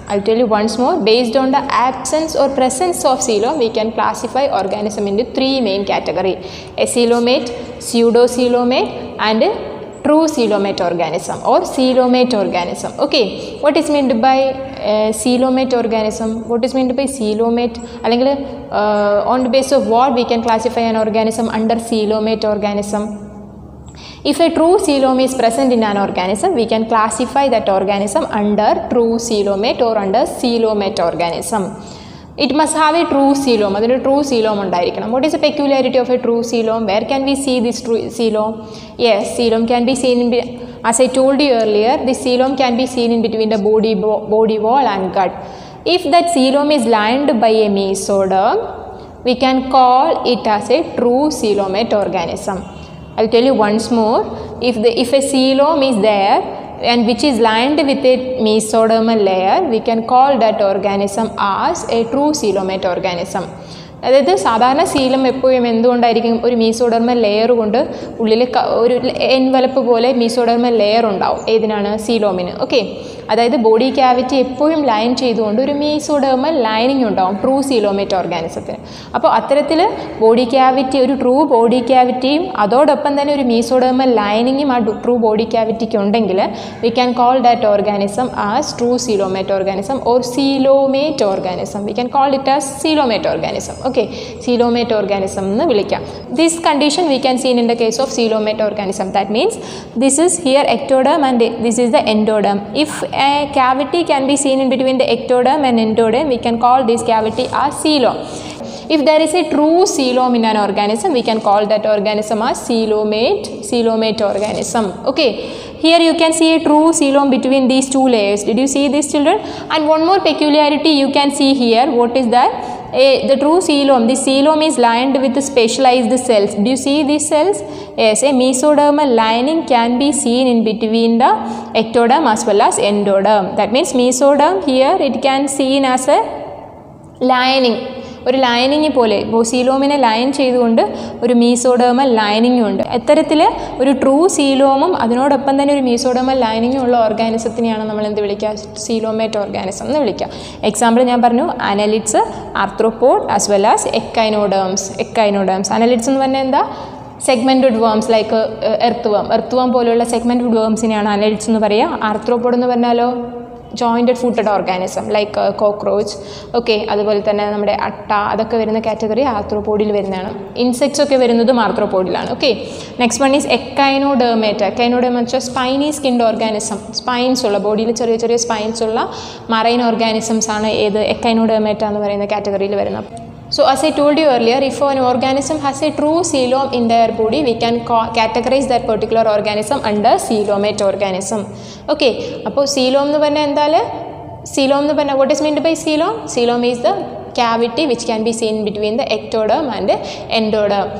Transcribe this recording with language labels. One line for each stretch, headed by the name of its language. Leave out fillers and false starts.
English: I tell you once more, based on the absence or presence of coelom we can classify organism into three main category: acoelomate, pseudocoelomate and true coelomate organism or coelomate organism. Okay, what is meant by coelomate organism? What is meant by coelomate? അല്ലെങ്കിൽ on the base of what we can classify an organism under coelomate organism? If a true coelomate is present in an organism, we can classify that organism under true coelomate or under coelomate organism. It must have a true coelom.
Malayalam: അതിന് true coelom ഉണ്ടായിരിക്കണം.
English: What is a peculiarity of a true coelom? Where can we see this true coelom? Yes, coelom can be seen in be as I told you earlier, the coelom can be seen in between the body wall and gut. If that coelom is lined by a mesoderm, we can call it as a true coelomate organism. I'll tell you once more, if a coelom is there and which is lined with a mesodermal layer, we can call that organism as a true coelomate organism.
Malayalam: അതായത് സാധാരണ coelom എപ്പോഴും എന്തുകൊണ്ടായിരിക്കും? ഒരു മീസോഡർമൽ layer കൊണ്ട് ഉള്ളിൽ ഒരു envelope പോലെ മീസോഡർമൽ layer ഉണ്ടാവും. ഏതിനാണ്? സീലോമിന്. ഓക്കെ, അതായത് ബോഡി ക്യാവിറ്റി എപ്പോഴും ലൈൻ ചെയ്തുകൊണ്ട് ഒരു മീസോഡർമൽ ലൈനിങ് ഉണ്ടാവും ട്രൂ സീലോമേറ്റ് ഓർഗാനിസത്തിന്. അപ്പോൾ അത്തരത്തിൽ ബോഡി ക്യാവിറ്റി, ഒരു ട്രൂ ബോഡി ക്യാവിറ്റിയും അതോടൊപ്പം തന്നെ ഒരു മീസോഡർമൽ ലൈനിങ്ങും ആ ട്രൂ ബോഡി ക്യാവിറ്റിക്ക് ഉണ്ടെങ്കിൽ
English: we can call that organism as true coelomate organism
Malayalam: or coelomate organism.
English: We can call it as coelomate organism. Okay, coelomate organism
Malayalam: എന്ന് വിളിക്കാം.
English: This condition we can seen in the case of coelomate organism. That means this is here ectoderm and this is the endoderm. If a cavity can be seen in between the ectoderm and endoderm, we can call this cavity a coelom. If there is a true coelom in an organism, we can call that organism a coelomate organism. Okay, Here you can see a true coelom between these two layers. Did you see this, children? And one more peculiarity you can see here. What is that? The true coelom. The coelom is lined with the specialized cells. Do you see these cells? Yes, a mesodermal lining can be seen in between the ectoderm as well as endoderm. That means mesoderm here, it can seen as a lining.
Malayalam: ഒരു lining പോലെ സീലോമിനെ line ചെയ്തുകൊണ്ട് ഒരു mesodermal lining ഉണ്ട്. ഇത്തരത്തിൽ ഒരു true സീലോമും അതിനോടൊപ്പം തന്നെ ഒരു മീസോഡേമൽ ലൈനിങ് ഉള്ള ഓർഗാനിസത്തിനെയാണ് നമ്മൾ എന്ത് വിളിക്കുക, സീലോമേറ്റ് ഓർഗാനിസം എന്ന് വിളിക്കുക. എക്സാമ്പിൾ ഞാൻ പറഞ്ഞു, അനലിറ്റ്സ്, arthropod as well as echinoderms. Echinoderms അനലിറ്റ്സ് എന്ന് പറഞ്ഞാൽ എന്താ, സെഗ്മെൻറ്റഡ് വേംസ്, ലൈക്ക് എർത്ത് വേം പോലെയുള്ള സെഗ്മെൻറ്റഡ് വേംസിനെയാണ് അനലിറ്റ്സ് എന്ന് പറയുക. ആർത്രോപോഡ് എന്ന് പറഞ്ഞാലോ jointed footed organism, like cockroach. Okay, അതുപോലെ തന്നെ നമ്മുടെ അട്ട, അതൊക്കെ വരുന്ന കാറ്റഗറി ആർത്രോപോഡിൽ വരുന്നതാണ്. ഇൻസെക്ട്സൊക്കെ വരുന്നതും ആർത്രോപോഡിലാണ്. Okay, next one is എക്കൈനോഡേമേറ്റ. എക്കൈനോഡേമെന്ന് വെച്ചാൽ സ്പൈനി സ്കിൻഡ് ഓർഗാനിസം, സ്പൈൻസ് ഉള്ള ബോഡിയിൽ ചെറിയ ചെറിയ സ്പൈൻസ് ഉള്ള മറൈൻ ഓർഗാനിസംസ് ആണ് ഏത്, എക്കൈനോഡേമേറ്റ എന്ന് പറയുന്ന കാറ്റഗറിയിൽ വരുന്നത്.
English: So as I told you earlier, if an organism has a true coelom in their body, we can categorize that particular organism under coelomate organism.
Malayalam: Okay, appo coelom nu parna endale, coelom nu parna,
English: what is meant by coelom? Coelom is the cavity which can be seen between the ectoderm and the endoderm.